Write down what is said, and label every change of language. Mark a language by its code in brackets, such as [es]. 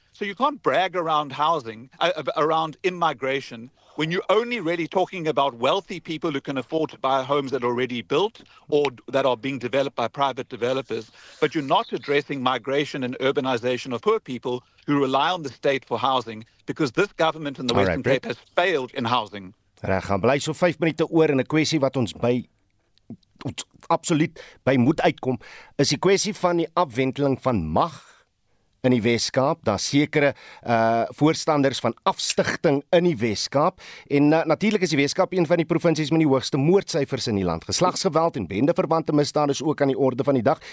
[en] So you can't brag around housing, around immigration, when you're only really talking about wealthy people who can afford to buy homes that are already built or that are being developed by private developers, but you're not addressing migration and urbanization of poor people who rely on the state for housing, because this government in the Western Cape has failed in housing. [af] Reg, gaan bly so 5 minute oor in 'n kwessie wat ons by absoluut by moet uitkom, is die kwessie van die afwenteling van mag in die Weskaap. Daar sekere voorstanders van afstigting in die Weskaap. En natuurlik is die Weskaap een van die provinsies met die hoogste moordsyfers in die land. Geslagsgeweld en bendeverwante misdaad is ook aan die orde van die dag.